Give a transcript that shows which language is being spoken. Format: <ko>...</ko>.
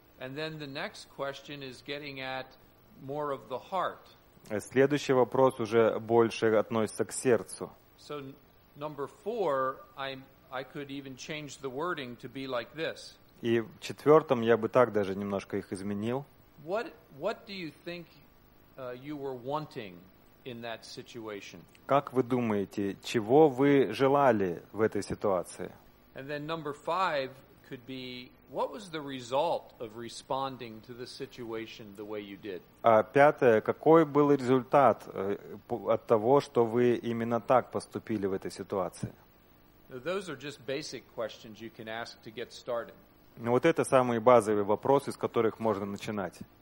<en>And then the next question is getting at more of the heart.</en> <ru>Следующий вопрос уже больше относится к сердцу.</ru> <en>So number four, I could even change the wording to be like this.</en> <ru>И в четвертом я бы так даже немножко их изменил.</ru> <en>What do you think you were wanting in that situation?</en> <ru>Как вы думаете, чего вы желали в этой ситуации?</ru> <en>And then number five could be, what was the result of responding to the situation the way you did?</en> <ru>А пятое, какой был результат от того, что вы именно так поступили в этой ситуации?</ru> <en>Those are just basic questions you can ask to get started.</en> <ru>Ну вот это самые базовые вопросы, с которых можно начинать.</ru>